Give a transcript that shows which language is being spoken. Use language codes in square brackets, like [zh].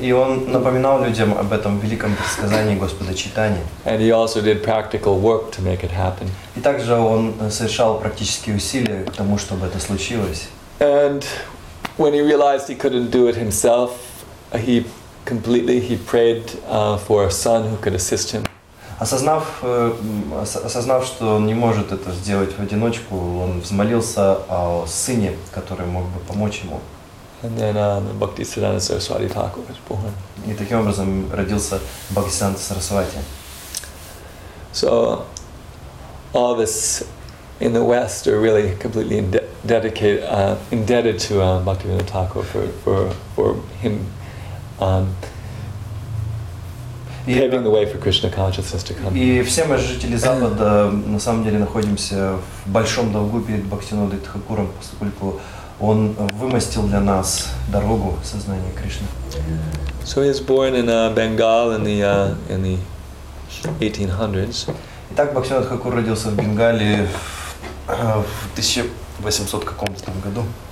[ru] И он напоминал людям об этом великом предсказании Господа Чайтаньи. [en] And he also did practical work to make it happen. [ru] И также он совершал практические усилия к тому, чтобы это случилось. [en] And when he realized he couldn't do it himself, he prayed for a son who could assist him. [ru] Осознав, что он не может это сделать в одиночку, он взмолился о сыне, который мог бы помочь ему. [en] And then Bhaktisiddhanta Saraswati Thakur was born. [ru] И таким образом родился Бхактисиддханта Сарасвати. [en] So all of us in the West are really completely indebted to Bhaktivinoda Thakur for him paving the way for Krishna consciousness to come. [ru] И все мы, жители Запада, на самом деле находимся в большом долгу перед Бхактивинодой Тхакуром, поскольку он вымостил для нас дорогу сознания Кришны. [en] So he was born in Bengal in the 1800s. [ru] Итак, Бхактивинода Тхакур родился в Бенгале в 1800 каком-то году.